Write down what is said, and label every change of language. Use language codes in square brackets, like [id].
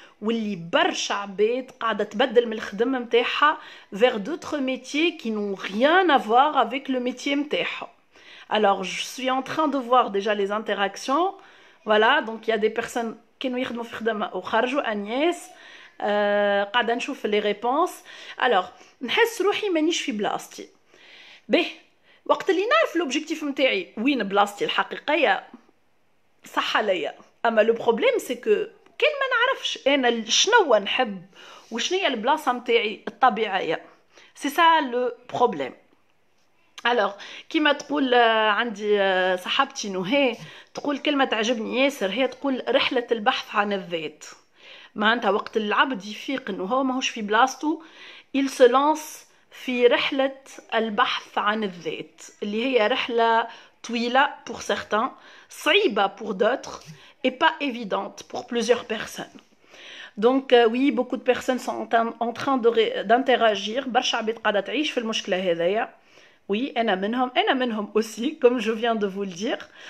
[ar] واللي برشا عباد قاعدة تبدل من الخدمة متاعها [fr] vers d'autres métiers qui n'ont rien à voir avec le métier [ar] متاعها. [fr] Alors je suis en train de voir déjà les interactions. Voilà, donc il y a des personnes qui nous [ar] يخدموا في خدمة وخرجوا أنيس قاعدة نشوف [fr] les réponses. [ar] Alors نحس روحي مانيش في بلاصتي. به وقت اللي نعرف الأوبجيكتيف متاعي وين بلاصتي الحقيقية صح عليا. أما [fr] لو بروبليم سي كو [ar] كان ما نعرفش انا شنو نحب وشنو هي البلاصه نتاعي الطبيعيه، [fr] سي سا لو بروبليم. [ar] الوغ كيما تقول عندي صاحبتي نهي تقول كلمه تعجبني ياسر، هي تقول رحله البحث عن الذات. معناتها وقت العبد يفيق انه هو ماهوش في بلاصتو، [fr] il se lance [ar] في رحله البحث عن الذات اللي هي رحله طويله [fr] pour certains، [ar] صعيبه [fr] pour d'autres et pas évidente pour plusieurs personnes. Donc oui, beaucoup de personnes sont en train d'interagir. [ar] برشا عباد قاعده تعيش في المشكله هذيا. [fr] Oui, [ar] انا منهم [fr] aussi comme je viens de vous le dire.